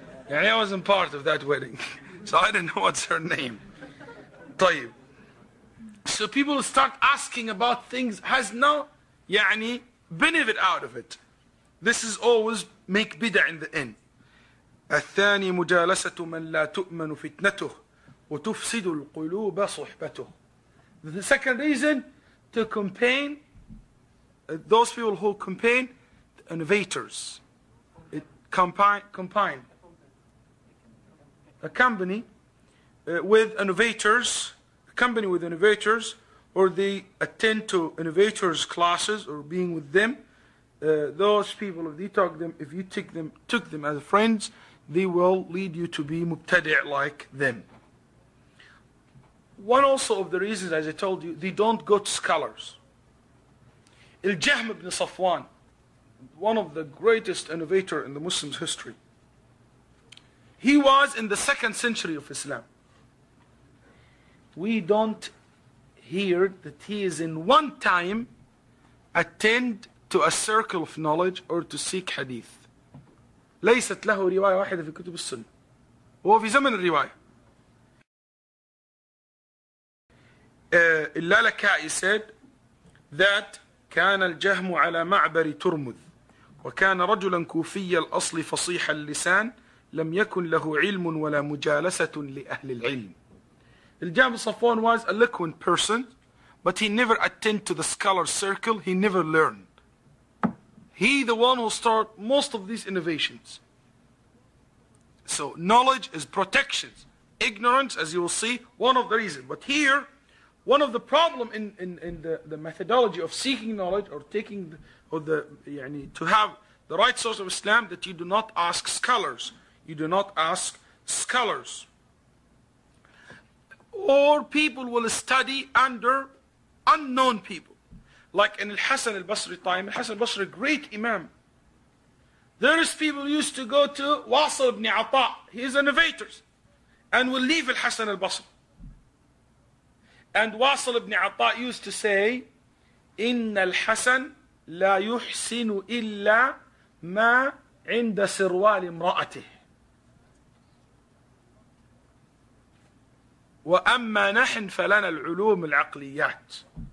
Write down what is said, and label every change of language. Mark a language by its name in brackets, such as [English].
[English] I wasn't part of that wedding. So I didn't know what's her name. طيب. So people start asking about things, has no benefit out of it. This is always make bid'ah in the end. [Arabic] الثاني مجالسة من لا تؤمن فتنته وتفسد القلوب صحبته. [English] The second reason, to campaign, those people who campaign, the innovators. It combine a company with innovators, a company with innovators, or they attend to innovators' classes or being with them. Those people, if you took them as friends, they will lead you to be mubtadi' like them. One also of the reasons, as I told you, they don't go to scholars. Al-Jahm ibn Safwan, one of the greatest innovators in the Muslims' history, he was in the second century of Islam. We don't hear that he is in one time attend to a circle of knowledge or to seek hadith. [Arabic] ليست له رواية واحدة في كتب السنة. هو في زمن الرواية. اللالكائي [English] said that [Arabic] كان الجهم على معبر ترمذ وكان رجلا كوفي الأصل فصيح اللسان لم يكن له علم ولا مجالسة لأهل العلم. [English] الجهم صفوان was a eloquent person, but he never attended to the scholar circle. He never learned. He the one who started most of these innovations. So knowledge is protection. Ignorance, as you will see, one of the reasons. But here, one of the problem in the methodology of seeking knowledge or taking to have the right source of Islam, that you do not ask scholars. You do not ask scholars. Or people will study under unknown people. Like in Al-Hasan al-Basri time, Al-Hasan al-Basri, great imam. There is people used to go to Wasil ibn Ata, he is an innovator, and will leave Al-Hasan al-Basri. And Wasil ibn Ata used to say, [Arabic] إِنَّ الْحَسَنْ لَا يُحْسِنُ إِلَّا مَا عِنْدَ سِرْوَالِ امْرَأَتِهِ وَأَمَّا نَحْنْ فَلَنَا الْعُلُومِ الْعَقْلِيَاتِ.